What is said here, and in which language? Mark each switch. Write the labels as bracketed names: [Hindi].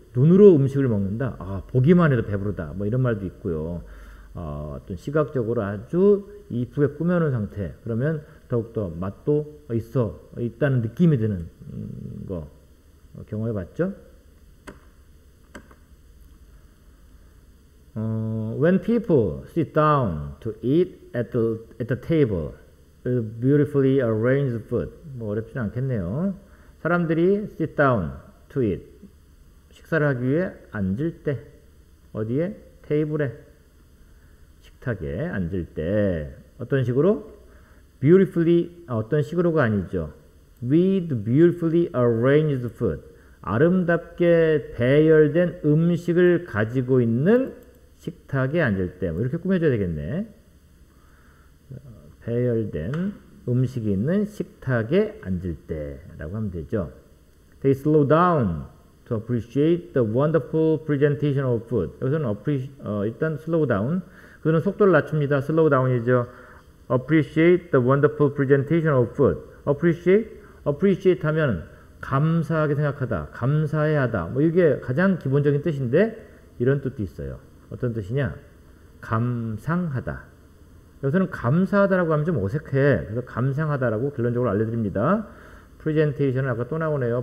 [Korean] 눈으로 음식을 먹는다. 아, 보기만 해도 배부르다. 뭐 이런 말도 있고요. 어떤 시각적으로 아주 이쁘게 꾸며놓은 상태. 그러면 더욱더 맛도 있다는 느낌이 드는 거 경험해 봤죠? [English] When people sit down to eat at the table, beautifully arranged food. [Korean] 뭐 어렵진 않겠네요. 사람들이 [English] sit down to eat. [Korean] 식사를 하기 위해 앉을 때. 어디에? 테이블에. 식탁에 앉을 때. 어떤 식으로? Beautifully, 어떤 식으로가 아니죠. [English] With beautifully arranged food. [Korean] 아름답게 배열된 음식을 가지고 있는 식탁에 앉을 때. 뭐 이렇게 꾸며줘야 되겠네. 배열된 음식이 있는 식탁에 앉을 때라고 하면 되죠. [English] They slow down to appreciate the wonderful presentation of food. [Korean] 여기서는 일단 [English] slow down. [Korean] 그들은 속도를 낮춥니다. [English] slow down이죠. Appreciate the wonderful presentation of food. [Korean] Appreciate 하면 감사하게 생각하다, 감사해하다. 뭐 이게 가장 기본적인 뜻인데 이런 뜻도 있어요. 어떤 뜻이냐? 감상하다. 여기서는 감사하다라고 하면 좀 어색해. 그래서 감상하다라고 결론적으로 알려드립니다. Presentation은 아까 또 나오네요.